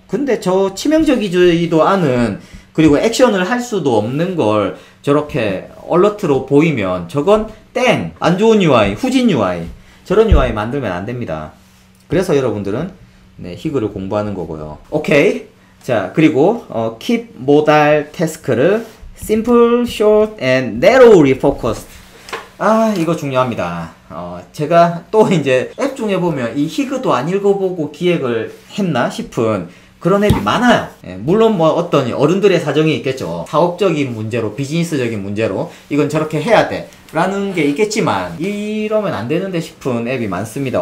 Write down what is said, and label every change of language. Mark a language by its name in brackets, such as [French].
[Korean] 근데 저 치명적이지도 않은 그리고 액션을 할 수도 없는 걸 저렇게 얼러트로 보이면 저건 땡! 안 좋은 UI, 후진 UI. 저런 UI 만들면 안 됩니다. 그래서 여러분들은 네, 희글을 공부하는 거고요. 오케이! 자, 그리고 [English] Keep Modal Task를 Simple, Short, and Narrowly Focused. [Korean] 아, 이거 중요합니다. 제가 또 이제 앱 중에 보면 이 희그도 안 읽어보고 기획을 했나 싶은 그런 앱이 많아요. 예, 물론 뭐 어떤 어른들의 사정이 있겠죠. 사업적인 문제로, 비즈니스적인 문제로 이건 저렇게 해야 돼 라는 게 있겠지만 이러면 안 되는데 싶은 앱이 많습니다.